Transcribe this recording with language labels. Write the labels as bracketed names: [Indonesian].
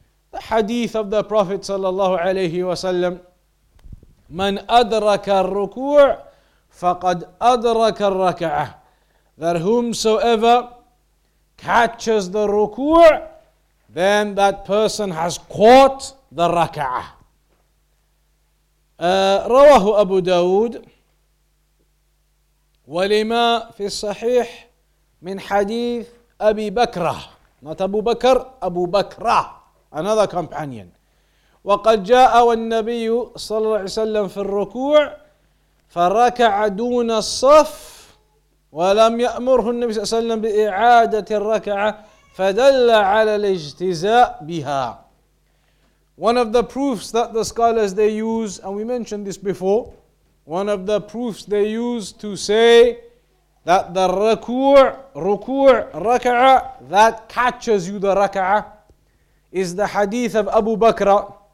[English] The hadith of the Prophet sallallahu alayhi wa sallam, [Arabic] من أدرك الركوع فقد أدرك الركعه. [English] That whomsoever catches the ruku', then that person has caught the raka'ah. [Arabic] رواه أبو داود ولما في الصحيح من حديث أبي بكرة. [English] Not Abu Bakr, Abu Bakrah, another companion. [Arabic] وقد جاء والنبي صلى الله عليه وسلم في الركوع فركع دون الصف ولم يأمره النبي صلى الله عليه وسلم بإعادة الركعة فدل على الاجتزاء بها. [English] One of the proofs that the scholars they use, and we mentioned this before, one of the proofs they use to say that the ruku' raka'a that catches you the raka'a is the hadith of Abu Bakr.